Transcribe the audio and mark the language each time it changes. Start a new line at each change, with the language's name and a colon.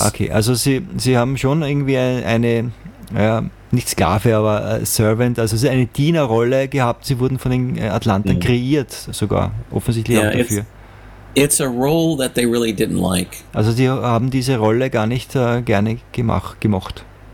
German: Okay, also sie haben schon irgendwie nicht Sklave, aber Servant, also sie eine Dienerrolle gehabt. Sie wurden von den Atlanten kreiert, sogar offensichtlich auch dafür.
English: It's a role that they really didn't like.
German: Also sie haben diese Rolle gar nicht gerne gemocht.